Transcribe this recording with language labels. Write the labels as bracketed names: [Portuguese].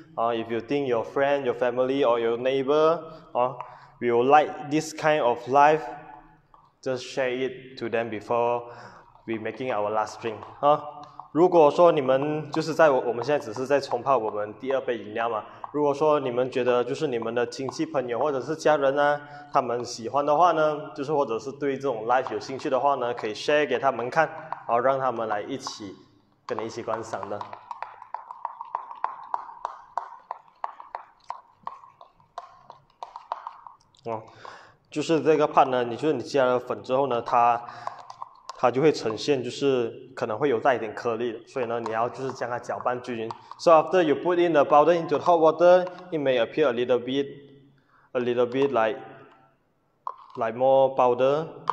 [English] If you think your friend, your family, or your neighbor, will like this kind of life, just share it to them before we making our last drink. [Chinese] 如果说你们就是在我们现在只是在冲泡我们第二杯饮料嘛。如果说你们觉得就是你们的亲戚朋友或者是家人呢，他们喜欢的话呢，就是或者是对这种 life 有兴趣的话呢，可以 share 给他们看，然后让他们来一起跟你一起观赏的。就是这个 part 呢，你就是你加了粉之后呢，它就会呈现，就是可能会有带一点颗粒的，所以呢，你要就是将它搅拌均匀。 [English] So after you put in the powder into the hot water, it may appear a little bit like more powder.